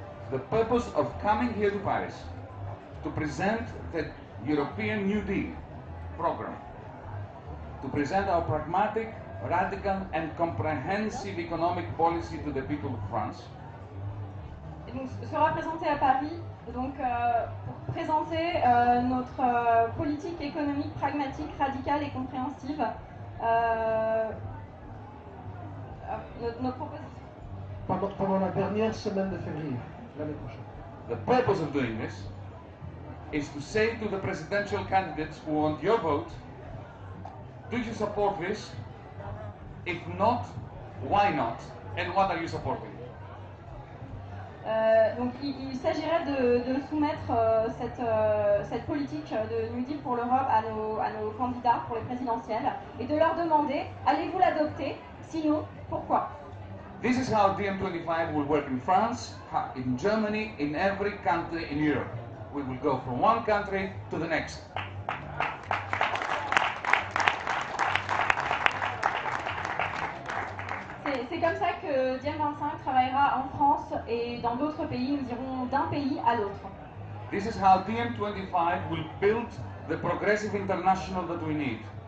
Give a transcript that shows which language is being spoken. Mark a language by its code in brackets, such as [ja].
[en] The purpose of coming here to Paris to present the European New Deal program, to present our pragmatic, radical and comprehensive economic policy to the people of France. [fr] Donc sera présenté à Paris, donc pour présenter notre politique économique pragmatique, radicale et compréhensive, notre proposition. Pendant la dernière semaine de février, l'année prochaine. [en] The purpose of doing this is to say to the presidential candidates who want your vote, do you support this? If not, why not? And what are you supporting? [fr] Donc il s'agirait de soumettre cette politique de New Deal pour l'Europe à nos candidats pour les présidentielles et de leur demander, allez-vous l'adopter? Sinon, pourquoi? [en] This is how DiEM25 will work in France, in Germany, in every country in Europe. We will go from one country to the next. [fr] C'est comme ça que DiEM25 travaillera en France et dans d'autres pays. Nous irons d'un pays à l'autre. [en] This is how DiEM25 will build the progressive international that we need.